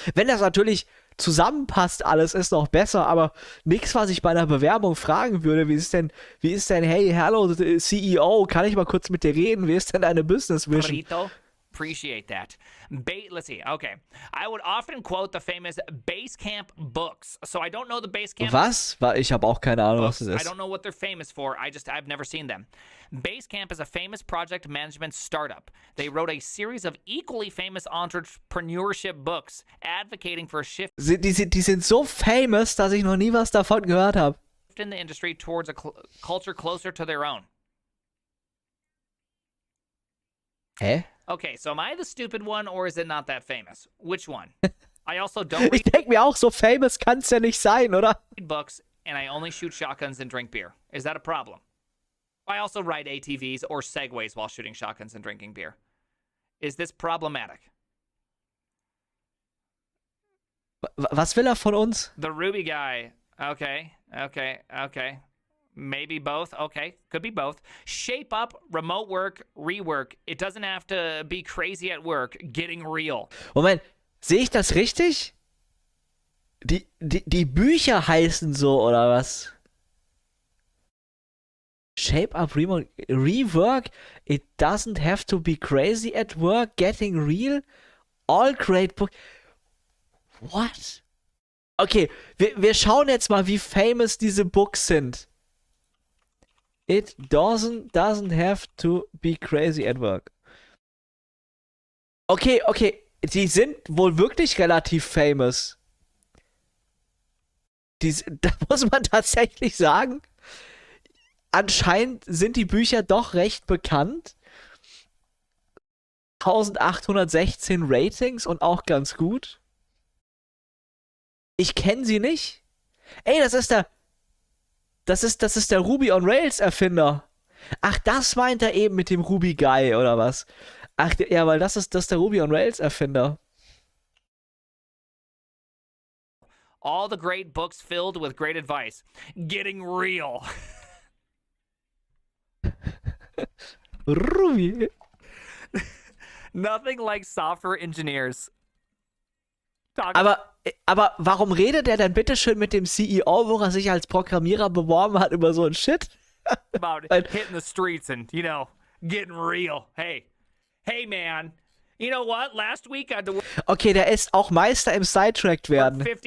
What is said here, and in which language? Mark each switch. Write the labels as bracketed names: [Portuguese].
[German] Wenn das natürlich zusammenpasst, alles ist noch besser, aber nichts, was ich bei einer Bewerbung fragen würde, wie ist denn, [English] hey, hello, [German] CEO, kann ich mal kurz mit dir reden? Wie ist denn deine Business Vision? [English] Marito, appreciate that. Let's see, okay. I would often quote the famous Basecamp books, so I don't know the Basecamp... [German] Was? Ich habe auch keine Ahnung, was das ist. [English] I don't know what they're famous for, I've never seen them. Basecamp is a famous project management startup. They wrote a series of equally famous entrepreneurship books advocating for a shift... [German] Die sind so famous, dass ich noch nie was davon gehört habe. [English] ...shift in the industry towards a culture closer to their own. Hä? Okay, so am I the stupid one or is it not that famous? Which one? I also don't read... [German] Ich denke mir auch, so famous kann's ja nicht sein, oder? [English] ...books and I only shoot shotguns and drink beer. Is that a problem? I also ride ATVs or Segways while shooting shotguns and drinking beer. Is this problematic? [German] Was will er von uns? [English] The Ruby guy. Okay, okay, okay. Maybe both. Okay, could be both. Shape up, remote work, rework. It doesn't have to be crazy at work. Getting real. [German] Moment, sehe ich das richtig? Die Bücher heißen so, oder was? [English] Shape up, remote, rework. It doesn't have to be crazy at work. Getting real. All great books. What? [German] Okay, wir schauen jetzt mal, wie famous diese Books sind. [English] It doesn't have to be crazy at work. [German] Okay, die sind wohl wirklich relativ famous. Da muss man tatsächlich sagen, anscheinend sind die Bücher doch recht bekannt. 1816 Ratings und auch ganz gut. Ich kenne sie nicht. Ey, das ist der Ruby on Rails Erfinder. Ach, das meint er eben mit dem Ruby Guy, oder was? Ach, ja, weil das ist der Ruby on Rails Erfinder. [English] All the great books filled with great advice. Getting real. Ruby. Nothing like software engineers. [German] Aber warum redet er denn bitteschön mit dem CEO, wo er sich als Programmierer beworben hat, über so ein Shit? [English] About hitting the streets and, you know, getting real. Hey, Hey, man. You know what? Last week I had to work. [German] Okay, der ist auch Meister im Sidetracked werden.